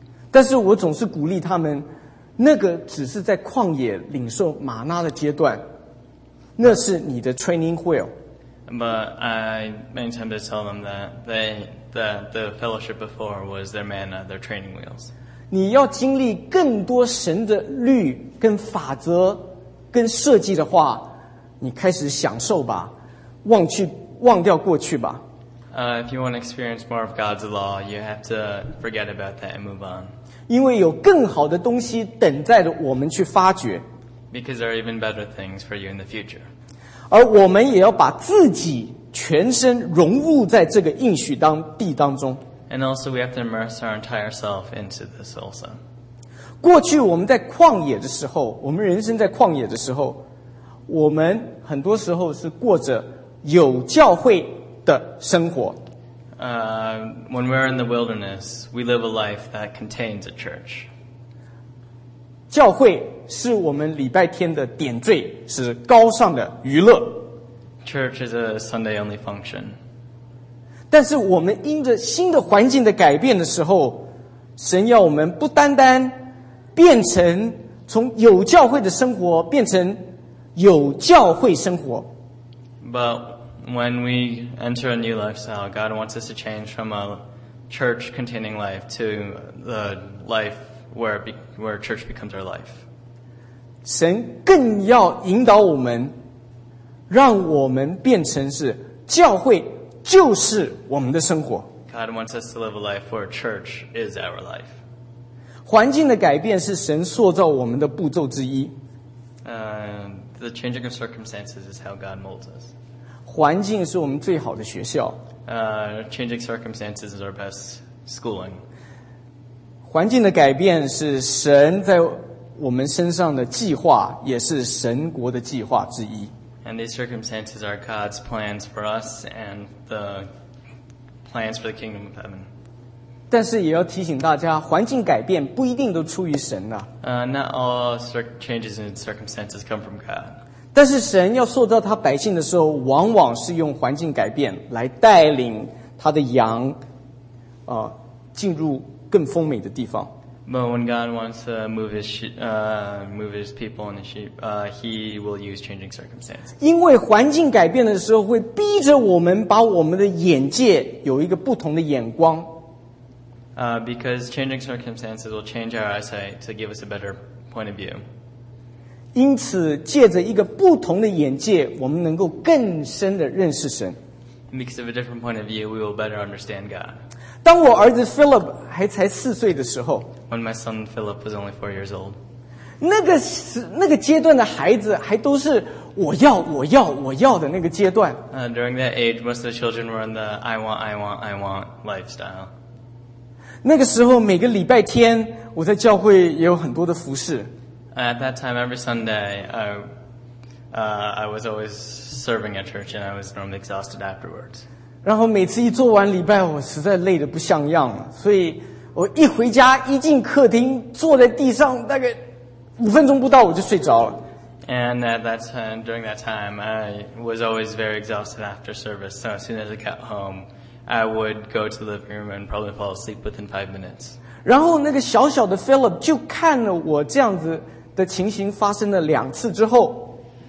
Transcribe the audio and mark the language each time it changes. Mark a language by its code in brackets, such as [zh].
[zh] 但是我总是鼓励他们，那个只是在旷野领受玛纳的阶段，那是你的 training wheel. [en] But I many times I tell them that the fellowship before was their manna, their training wheels. [zh] 你要经历更多神的律跟法则跟设计的话你开始享受吧忘掉过去吧。 [en] If you want to experience more of God's law, you have to forget about that and move on. [zh] 因为有更好的东西等待着我们去发掘。 [en] Because there are even better things for you in the future. [zh] 而我们也要把自己全身融入在这个应许地当中。 [en] And also we have to immerse our entire self into this also. [zh] 过去我们在旷野的时候我们人生在旷野的时候我们很多时候是过着有教会的生活。 [en] When we're in the wilderness, we live a life that contains a church. [zh] 教会是我们礼拜天的点缀是高尚的娱乐。 [en] Church is a Sunday only function. [zh] 但是我们因着新的环境的改变的时候神要我们不单单变成从有教会的生活变成有教会生活 [en] But when we enter a new lifestyle God wants us to change from a church containing life to the life where church becomes our life [zh] 神更要引导我们让我们变成是教会就是我们的生活。 [en] God wants us to live a life where church is our life. [zh] 环境的改变是神塑造我们的步骤之一。 [en] The changing of circumstances is how God molds us. [zh] 环境是我们最好的学校。 [en] Changing circumstances is our best schooling. [zh] 环境的改变是神在我们身上的计划，也是神国的计划之一。 [en] And these circumstances are God's plans for us and the plans for the kingdom of heaven. [zh] 但是也要提醒大家，环境改变不一定都出于神呐。 [en] Not all changes in circumstances come from God. [zh] 但是神要塑造他百姓的时候，往往是用环境改变来带领他的羊，进入更丰美的地方。 [en] But when God wants to move his people and his sheep, he will use changing circumstances. [zh] 因为环境改变的时候会逼着我们把我们的眼界有一个不同的眼光。 [en] Because changing circumstances will change our eyesight to give us a better point of view. [zh] 因此借着一个不同的眼界我们能够更深的认识神。 [en] Because of a different point of view, we will better understand God. [zh] 当我儿子 Philip 还才四岁的时候 [en] When my son Philip was only 4 years old. [zh] 那个阶段的孩子还都是我要我要我要的那个阶段。 [en] During that age, most of the children were in the I want, I want, I want lifestyle. [zh] 那个时候每个礼拜天我在教会也有很多的服事。 [en] At that time, every Sunday, I was always serving at church and I was normally exhausted afterwards. [zh] 然后每次一做完礼拜我实在累得不像样所以我一回家一进客厅坐在地上大概5分钟不到我就睡着了。 [en] And at that time, during that time, I was always very exhausted after service. So as soon as I got home, I would go to the living room and probably fall asleep within 5 minutes. [zh] 然后那个小小的 Philip 就看了我这样子的情形发生了2次之后。